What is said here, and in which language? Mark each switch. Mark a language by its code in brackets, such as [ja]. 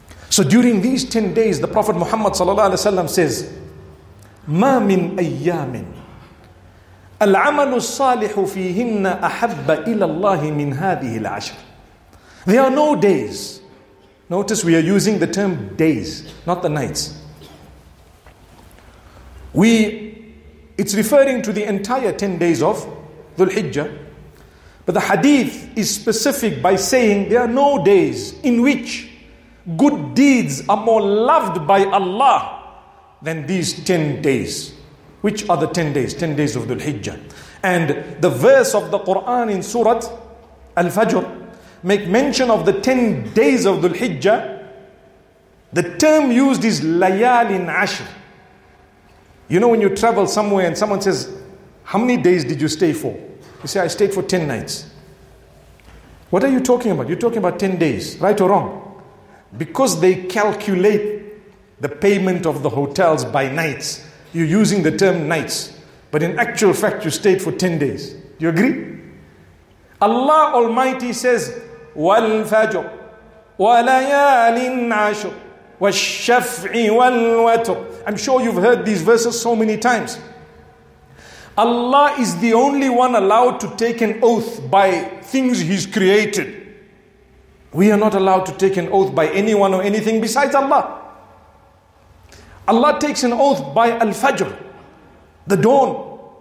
[en] So during these 10 days, the Prophet Muhammad sallallahu alaihi wasallam says, [ar] ما من أيام العمل الصالح فيهن أحب إلى الله من هذه العشر. [en] There are no days. Notice we are using the term days, not the nights. It's referring to the entire 10 days of Dhul Hijjah. But the hadith is specific by saying there are no days in which good deeds are more loved by Allah than these 10 days. Which are the 10 days? 10 days of Dhul Hijjah. And the verse of the Quran in Surah Al-Fajr make mention of the 10 days of Dhul Hijjah. The term used is Layalin Ashr. You know, when you travel somewhere and someone says, how many days did you stay for? You say, I stayed for 10 nights. What are you talking about? You're talking about 10 days, right or wrong? Because they calculate the payment of the hotels by nights. You're using the term nights. But in actual fact, you stayed for 10 days. Do you agree? Allah Almighty says, [ar] وَالْفَجْرِ وَلَيَالٍ عَشْرٍ وَالشَّفْعِ وَالْوَتْرِ. [en] I'm sure you've heard these verses so many times. Allah is the only one allowed to take an oath by things He's created. We are not allowed to take an oath by anyone or anything besides Allah. Allah takes an oath by Al-Fajr, the dawn.